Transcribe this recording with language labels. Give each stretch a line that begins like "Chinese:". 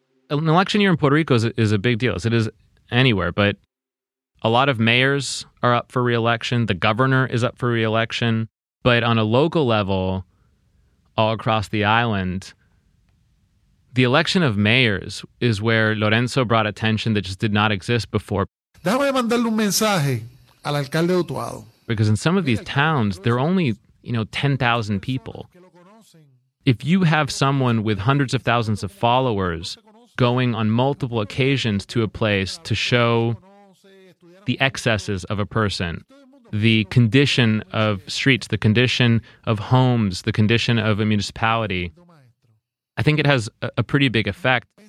English: An election year in Puerto Rico is a big deal, as it is anywhere, but a lot of mayors are up for re-election. The governor is up for re-election. But on a local level, all across the island, the election of mayors is where Lorenzo brought attention that just did not exist before.
Spanish: Déjame mandarle un mensaje al alcalde de Utuado.
English: Because in some of these towns, there are only, you know, 10,000 people. If you have someone with hundreds of thousands of followers going on multiple occasions to a place to show the excesses of a person, the condition of streets, the condition of homes, the condition of a municipality, I think it has a pretty big effect.